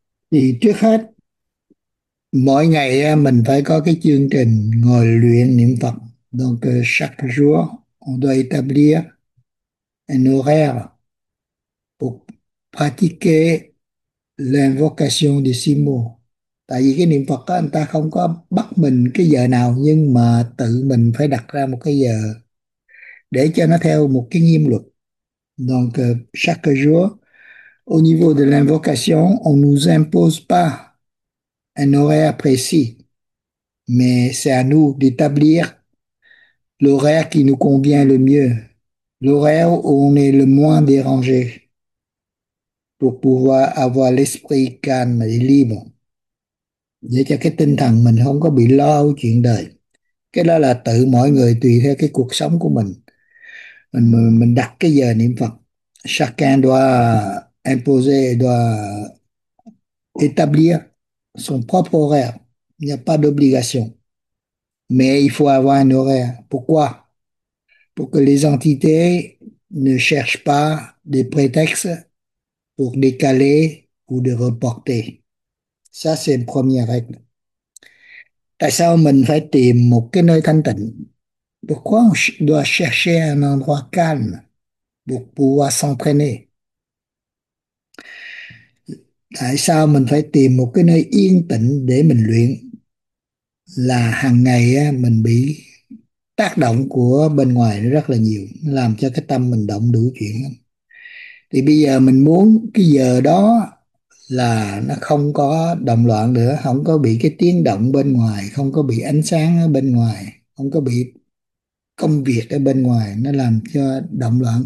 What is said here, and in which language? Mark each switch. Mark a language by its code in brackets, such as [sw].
[vi] Thì trước hết mỗi ngày mình phải có cái chương trình ngồi luyện niệm Phật, [fr] donc chaque jour on doit établir un horaire pour pratiquer l'invocation de six mots. [vi] Tại vì cái niệm Phật đó, anh ta không có bắt mình cái giờ nào, nhưng mà tự mình phải đặt ra một cái giờ để cho nó theo một cái nghiêm luật. [fr] Donc chaque jour au niveau de l'invocation, on ne nous impose pas un horaire précis, mais c'est à nous d'établir l'horaire qui nous convient le mieux, l'horaire où on est le moins dérangé pour pouvoir avoir l'esprit calme et libre, [vi] để cho cái tinh thần mình không có bị lo chuyện đời. Cái đó là tự mỗi người tùy theo cái cuộc sống của mình. Mình đặt cái giờ niệm Phật. [fr] Chacun doit imposer, doit établir son propre horaire. Il n'y a pas d'obligation. Mais il faut avoir un horaire. Pourquoi? Pour que les entités ne cherchent pas des prétextes pour décaler ou de reporter. Ça, c'est une première règle. [vi] Tại sao mình phải tìm một cái nơi thanh tịnh? [fr] Pourquoi on ch doit chercher un endroit calme pour pouvoir s'entraîner? [vi] Tại sao mình phải tìm một cái nơi yên tĩnh để mình luyện? Là hàng ngày mình bị tác động của bên ngoài rất là nhiều, làm cho cái tâm mình động đủ chuyện. Thì bây giờ mình muốn cái giờ đó là nó không có động loạn nữa, không có bị cái tiếng động bên ngoài, không có bị ánh sáng ở bên ngoài, không có bị công việc ở bên ngoài nó làm cho động loạn.